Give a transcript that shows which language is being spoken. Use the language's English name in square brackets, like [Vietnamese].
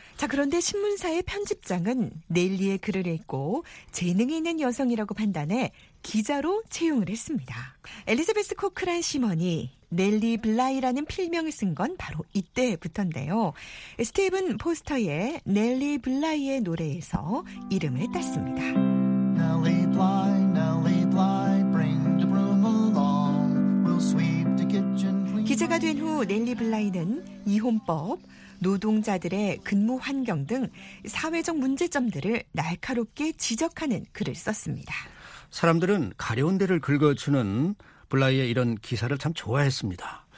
[Korean] 자, 그런데 신문사의 편집장은 넬리의 글을 읽고 재능 있는 여성이라고 판단해 기자로 채용을 했습니다. 엘리자베스 코크란 시먼이 넬리 블라이라는 필명을 쓴 건 바로 이때부터인데요. 스티븐 포스터의 넬리 블라이의 노래에서 이름을 땄습니다. [English] Nelly Bly, Nelly Bly, bring the broom along. We'll sweep the kitchen. [Korean] 기자가 된 후 넬리 블라이는 이혼법, 노동자들의 근무 환경 등 사회적 문제점들을 날카롭게 지적하는 글을 썼습니다. 사람들은 가려운 데를 긁어주는 블라이의 이런 기사를 참 좋아했습니다.